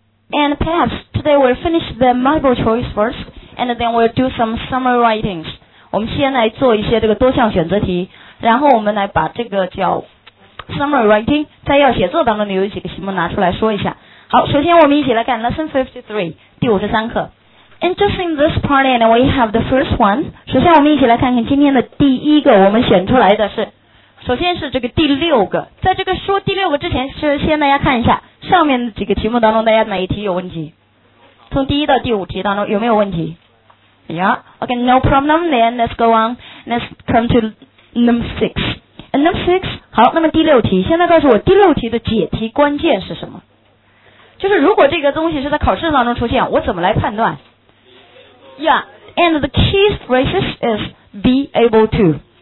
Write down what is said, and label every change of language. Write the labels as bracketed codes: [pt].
[en] And perhaps today we'll finish the multiple choice first, and then we'll do some summary writings. [zh] 我们先来做一些这个多项选择题，然后我们来把这个叫 summary writing 在要写作当中有几个题目拿出来说一下。好，首先我们一起来看 lesson 53，第五十三课。 [en] And just in this part, and we have the first one. [zh] 首先我们一起来看看今天的第一个，我们选出来的是，首先是这个第六个。在这个说第六个之前，是先大家看一下上面几个题目当中，大家哪一题有问题？从第一到第五题当中有没有问题？ [en] Yeah. Okay, no problem. Then let's go on. Let's come to number six. And number six. [zh] 好，那么第六题，现在告诉我第六题的解题关键是什么？就是如果这个东西是在考试当中出现，我怎么来判断？ [en] Yeah, and the key phrase is be able to.